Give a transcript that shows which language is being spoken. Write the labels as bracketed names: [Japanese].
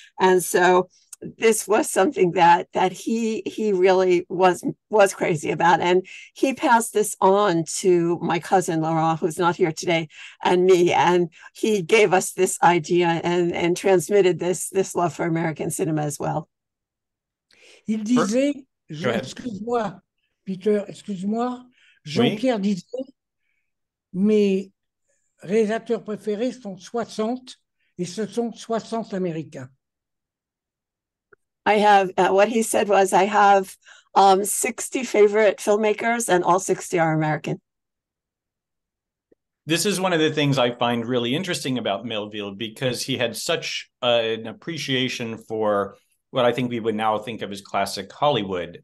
[English] And so this was something that he really was crazy about. And he passed this on to my cousin, Laurent, who's not here today, and me. And he gave us this idea and transmitted this love for American cinema as well. [French] Il disait, excuse-moi, Peter, excuse-moi, Jean-Pierre oui. Disait, mes réalisateurs préférés sont 60 et ce sont 60 Américains. [English] I have, what he said was, I have 60 favorite filmmakers and all 60 are American. This is one of the things I find really interesting about Melville, because he had such an appreciation for what I think we would now think of as classic Hollywood.